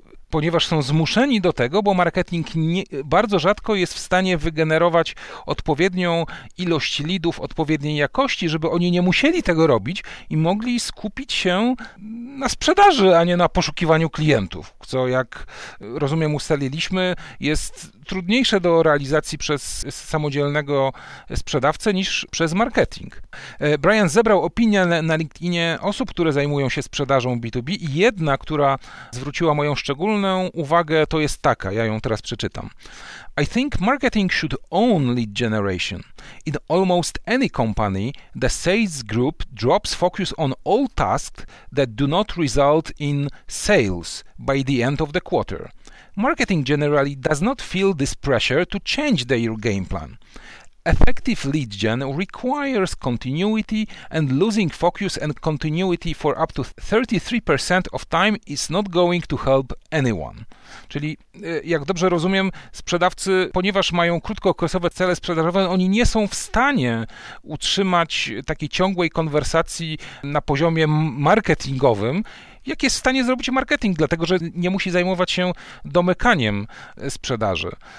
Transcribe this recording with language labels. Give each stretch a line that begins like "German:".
Polish: Ponieważ są zmuszeni do tego, bo marketing bardzo rzadko jest w stanie wygenerować odpowiednią ilość leadów odpowiedniej jakości, żeby oni nie musieli tego robić i mogli skupić się na sprzedaży, a nie na poszukiwaniu klientów, co, jak rozumiem, ustaliliśmy, jest trudniejsze do realizacji przez samodzielnego sprzedawcę niż przez marketing. Brian zebrał opinie na LinkedInie osób, które zajmują się sprzedażą B2B, i jedna, która zwróciła moją szczególną uwagę, to jest taka, ja ją teraz przeczytam.
English: I think marketing should own lead generation. In almost any company, the sales group drops focus on all tasks that do not result in sales by the end of the quarter. Marketing generally does not feel this pressure to change their game plan. Effective lead gen requires continuity, and losing focus and continuity for up to 33% of time is not going to help anyone.
Polish: Czyli, jak dobrze rozumiem, sprzedawcy, ponieważ mają krótkookresowe cele sprzedażowe, oni nie są w stanie utrzymać takiej ciągłej konwersacji na poziomie marketingowym, jak jest w stanie zrobić marketing, dlatego że nie musi zajmować się domykaniem sprzedaży.